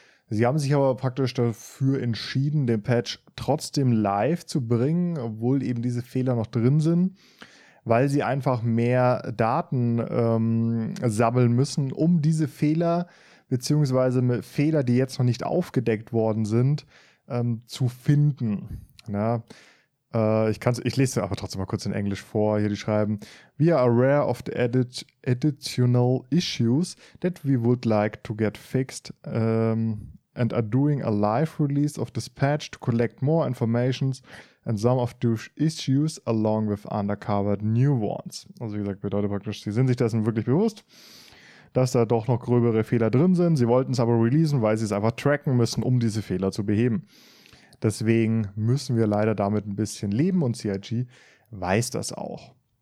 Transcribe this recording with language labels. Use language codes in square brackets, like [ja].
[de] Sie haben sich aber praktisch dafür entschieden, den Patch trotzdem live zu bringen, obwohl eben diese Fehler noch drin sind, weil sie einfach mehr Daten sammeln müssen, um diese Fehler beziehungsweise Fehler, die jetzt noch nicht aufgedeckt worden sind, zu finden. Ja, ich lese es aber trotzdem mal kurz in Englisch vor. Hier, die schreiben, [en] we are aware of the additional issues that we would like to get fixed and are doing a live release of this patch to collect more information and some of those issues along with undercovered new ones. [de] Also wie gesagt, bedeutet praktisch, sie sind sich dessen wirklich bewusst, dass da doch noch gröbere Fehler drin sind. Sie wollten es aber releasen, weil sie es einfach tracken müssen, um diese Fehler zu beheben. Deswegen müssen wir leider damit ein bisschen leben und CIG weiß das auch.